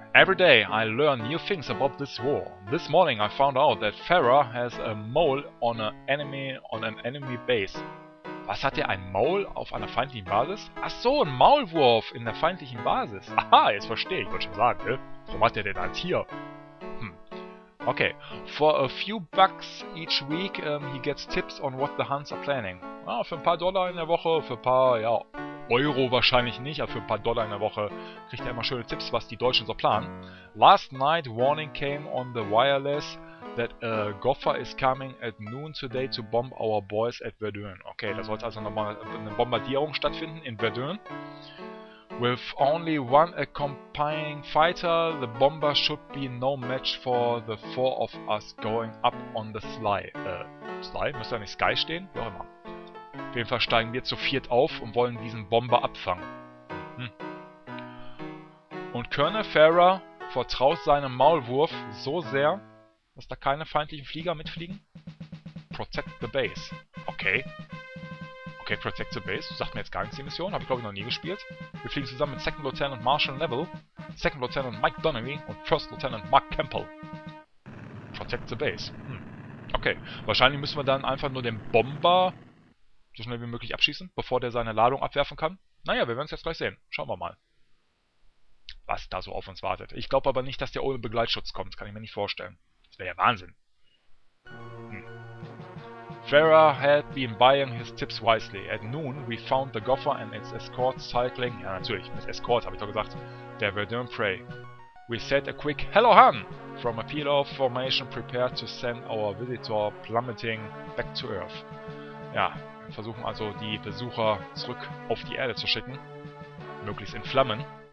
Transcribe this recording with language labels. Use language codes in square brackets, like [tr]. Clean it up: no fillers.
[en] Every day I learn new things about this war. This morning I found out that Farah has a mole on an enemy base. [de] Was hat der, ein Maul auf einer feindlichen Basis? Ach so, ein Maulwurf in der feindlichen Basis. Aha, jetzt verstehe ich, wollte schon sagen, ne? Warum hat der denn ein Tier? [en] Okay, for a few bucks each week he gets tips on what the Huns are planning. [de] Ah, für ein paar Dollar in der Woche, für ein paar, ja, Euro wahrscheinlich nicht, aber für ein paar Dollar in der Woche kriegt er immer schöne Tipps, was die Deutschen so planen. [en] Last night warning came on the wireless that a Goffer is coming at noon today to bomb our boys at Verdun. [de] Okay, da sollte also nochmal eine Bombardierung stattfinden in Verdun. [en] With only one accompanying fighter, the bomber should be no match for the four of us going up on the Sly. [de] Sly? Muss da nicht Sky stehen? Wie auch immer. Auf jeden Fall steigen wir zu viert auf und wollen diesen Bomber abfangen. Und Colonel Farah vertraut seinem Maulwurf so sehr, dass da keine feindlichen Flieger mitfliegen? Protect the base. Okay. Okay, Protect the Base. Sagt mir jetzt gar nichts, die Mission. Habe ich, glaube ich, noch nie gespielt. Wir fliegen zusammen mit Second Lieutenant Marshall Neville, Second Lieutenant Mike Donnelly und First Lieutenant Mark Campbell. Protect the Base. Okay, wahrscheinlich müssen wir dann einfach nur den Bomber so schnell wie möglich abschießen, bevor der seine Ladung abwerfen kann. Naja, wir werden es jetzt gleich sehen. Schauen wir mal, was da so auf uns wartet. Ich glaube aber nicht, dass der ohne Begleitschutz kommt. Das kann ich mir nicht vorstellen. Das wäre ja Wahnsinn. [en] Farah had been buying his tips wisely. At noon, we found the Goffer and its escort cycling. [de] Ja, natürlich, mit Escort, habe ich doch gesagt. Der Verdun Prey. [en] We said a quick hello, Hun! From a pillow formation prepared to send our visitor plummeting back to Earth. [de] Ja, wir versuchen also, die Besucher zurück auf die Erde zu schicken. Möglichst in Flammen.